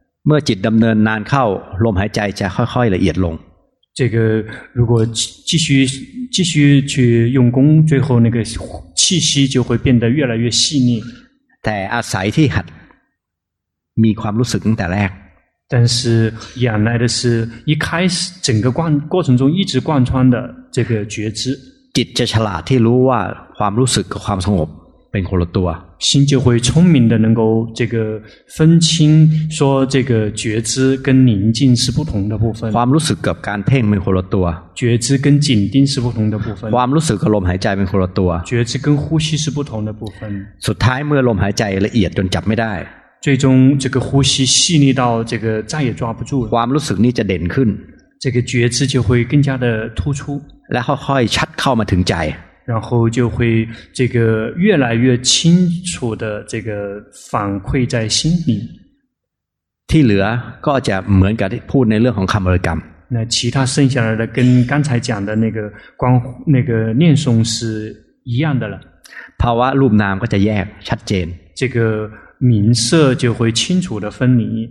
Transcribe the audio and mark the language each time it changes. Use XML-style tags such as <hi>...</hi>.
<th>เมื่อจิตดำเนินนานเข้าลมหายใจจะค่อยๆละเอียดลง</th> <zh>这个如果继续去用功最后那个气息就会变得越来越细腻</zh> <th>แต่อาศัยที่หัดมีความรู้สึกตั้งแต่แรก</th> <zh>但是原来的是一开始整个过程中一直贯穿的这个觉知</zh> <th>จิตจะฉลาดที่รู้ว่าความรู้สึกกับความสงบเป็นคนละตัว</th> <zh>心就会聪明的能够这个分清说这个觉知跟宁静是不同的部分</zh> <th>ความรู้สึกกับการเพ่งเป็นคนละตัว</th> <zh>觉知跟紧盯是不同的部分</zh> <th>ความรู้สึกกับลมหายใจเป็นคนละตัว</th> <zh>觉知跟呼吸是不同的部分</zh> <th>สุดท้ายเมื่อลมหายใจละเอียดจนจับไม่ได้</th> <zh>最终这个呼吸细腻到这个再也抓不住了</zh> <th>ความรู้สึกนี้จะเด่นขึ้น</th> <zh>这个觉知就会更加的突出</zh> <th>แล้วค่อยๆชัดเข้ามาถึงใจ</th> <zh>然后就会这个越来越清楚的这个反馈在心里</zh> <th>ที่เหลือก็จะเหมือนกับที่พูดในเรื่องของคำบริกรรม</th> <zh>那其他剩下来的跟刚才讲的那个光那个念诵是一样的了</zh> <th>ภาวะรูปนามก็จะแยกชัดเจน</th> <zh>这个名色就会清楚的分离</zh>